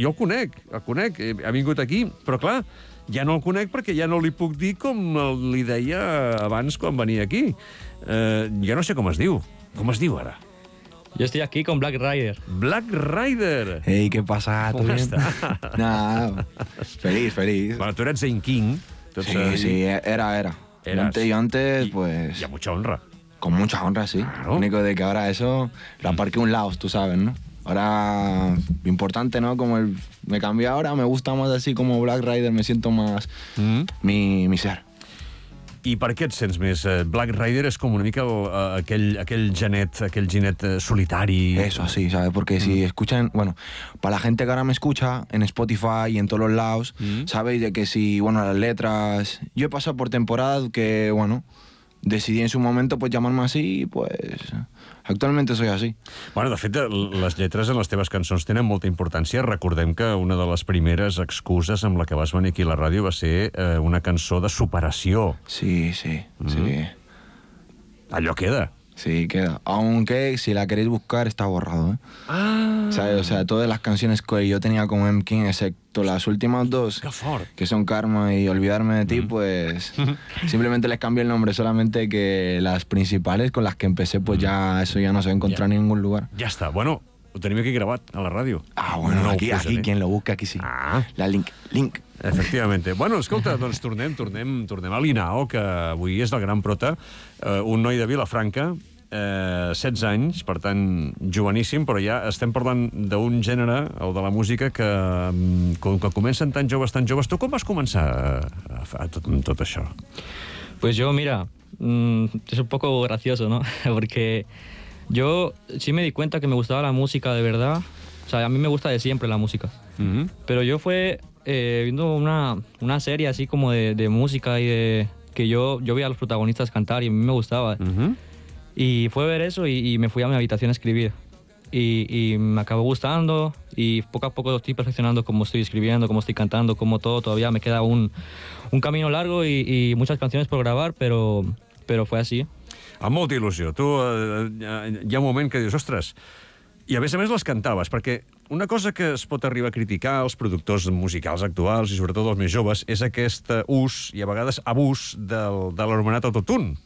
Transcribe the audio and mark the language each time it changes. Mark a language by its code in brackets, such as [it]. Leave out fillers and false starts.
[ca] Jo el conec, ha vingut aquí, però clar, ja no el conec perquè ja no li puc dir com li deia abans quan venia aquí. Jo no sé com es diu. Com es diu ara? [es] Yo estoy aquí con Black Rider. ¡Black Rider! [ca] Ei, què passa? Com està? No, feliç, feliç. [es] Bueno, tu eres Zane King. Sí, ahí. Sí, era. Antes, yo antes, pues... Y a mucha honra. Con mucha honra, sí. Claro. Único de que ahora eso lo aparqué un lado, tú sabes, ¿no? Ahora, importante, ¿no? Como el, me cambié ahora, me gusta más así como Black Rider, me siento más mi ser. [ca] I per què et sents més? Black Rider és com una mica aquell ginet solitari. [es] Eso, sí, ¿sabes? Porque si escuchan... Bueno, para la gente que ahora me escucha en Spotify y en todos los lados, ¿sabéis de que si, bueno, las letras... Yo he pasado por temporadas que, bueno, decidí en su momento pues llamarme así, pues... Actualmente soy así. [ca] Bueno, de fet, les lletres en les teves cançons tenen molta importància. Recordem que una de les primeres excuses amb la que vas venir aquí a la ràdio va ser una cançó de superació. Sí, sí, sí. Allò queda. Sí, queda. [es] Aunque si la queréis buscar, está borrado, ¿eh? Ah! ¿Sabes? O sea, todas las canciones que yo tenía como M. King, excepto las últimas dos, que son Karma y Olvidarme de ti, pues simplemente les cambié el nombre, solamente que las principales con las que empecé, pues ya eso ya no se va a encontrar en ningún lugar. Ya está, bueno, lo tenemos que grabar a la radio. Ah, bueno, no, aquí quien lo busque, aquí sí. Ah. La link. [ca] Efectivament. Bueno, escolta, doncs tornem a Linao, que avui és el gran prota, un noi de Vilafranca, 16 anys, per tant, joveníssim, però ja estem parlant d'un gènere, el de la música, que com que comencen tan joves, tu com vas començar a tot això? [es] Pues yo, mira, es un poco gracioso, ¿no? Porque yo sí me di cuenta que me gustaba la música, de verdad. O sea, a mí me gusta de siempre la música. Uh-huh. Pero yo fue... viendo una serie así como de música y de que yo veía a los protagonistas cantar y a mí me gustaba. Uh-huh. Y fue ver eso y me fui a mi habitación a escribir. Y me acabó gustando y poco a poco estoy perfeccionando cómo estoy escribiendo, cómo estoy cantando, cómo todo. Todavía me queda un camino largo y muchas canciones por grabar, pero fue así. [ca] A molta il·lusió. Tu, hi ha un moment que dius, ostres... I, a més, les cantaves, perquè una cosa que es pot arribar a criticar als productors musicals actuals, i sobretot els més joves, és aquest ús, i a vegades abús, de l'anomenat autotune.